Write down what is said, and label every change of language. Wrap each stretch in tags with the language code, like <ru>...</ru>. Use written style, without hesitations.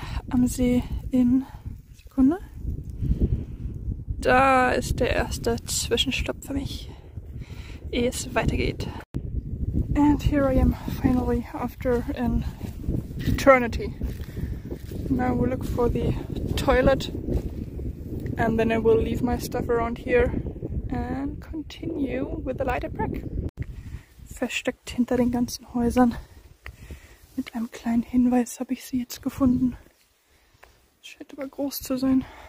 <de>Am See in Sekunde. Da ist der erste Zwischenstopp für mich, ehe es weitergeht.</de> <en>And here I am finally after an eternity. Now we'll look for the toilet and then I will leave my stuff around here and continue with the lighter pack.</en> <de>Versteckt hinter den ganzen Häusern. Mit einem kleinen Hinweis habe ich sie jetzt gefunden. Scheint aber groß zu sein.</de>